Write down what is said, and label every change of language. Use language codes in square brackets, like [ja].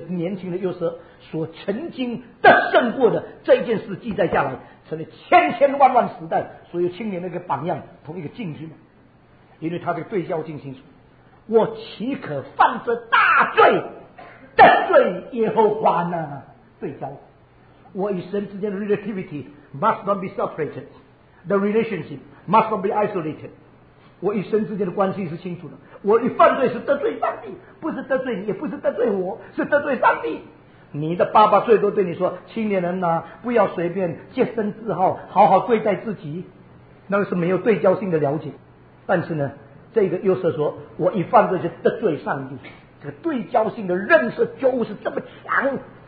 [zh] 年轻的约瑟所曾经得胜过的这一件事记载下来，成了千千万万时代所有青年的一个榜样，同一个镜子嘛。因为他这个对焦镜清楚，我岂可犯这大罪得罪耶和华呢？对焦，我与神之间的 [en] relativity must not be separated, the relationship must not be isolated。 [zh] 我与神之间的关系是清楚的，我与犯罪是得罪上帝，不是得罪你，也不是得罪我，是得罪上帝。你的爸爸最多对你说，青年人啊，不要随便洁身自好，好好对待自己，那个是没有对焦性的了解。但是呢，这个约瑟说，我一犯罪就得罪上帝，这个对焦性的认识觉悟是这么强。